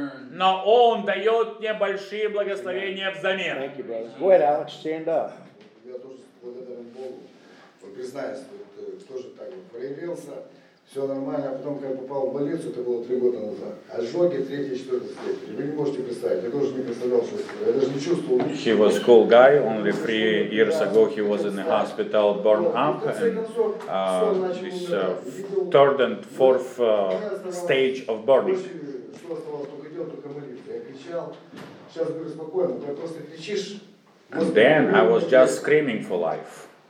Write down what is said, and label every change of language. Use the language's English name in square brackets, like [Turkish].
[Russian] Но Он дает мне большие благословения взамен. [English] Thank you, brother. Go ahead, Alex, stand up. [Russian] Я тоже благодарен Богу. Вот признаюсь, тоже так вот проявился. Все нормально, а потом, когда попал в больницу, это было 3 года назад. Ожоги 3-4 степени. Вы не можете представить, я тоже не представлял, что я даже не чувствовал. [English] He was cool guy, only 3 years ago he was in the hospital, burned up, and this third and fourth stage of burning. [Russian] Все оставалось, только идет, только молитва. Я кричал, сейчас говорю спокойно, ты просто кричишь. [English] And then I was just screaming for life.